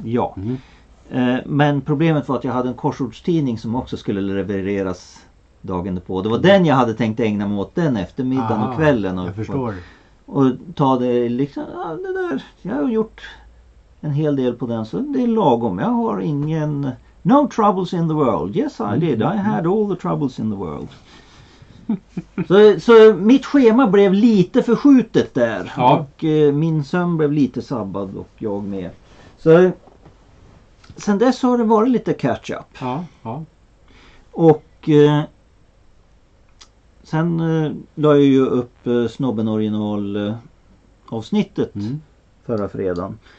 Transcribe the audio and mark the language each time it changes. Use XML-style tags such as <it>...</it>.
<sv>Ja, men problemet var att jag hade en korsordstidning som också skulle levereras dagen därpå. Det var den jag hade tänkt ägna mig åt den eftermiddagen och kvällen. Jag förstår. Och ta det liksom, ja, det där, jag har gjort en hel del på den, så det är lagom. Jag har ingen...</sv> <en>No troubles in the world. Yes, I did. I had all the troubles in the world.</en> <sv>Så mitt schema blev lite förskjutet där. Ja. Och min sömn blev lite sabbad och jag med. Så sen dess har det varit lite catch up. Ja, ja. Och sen la jag ju upp snobben original avsnittet förra fredagen.</sv>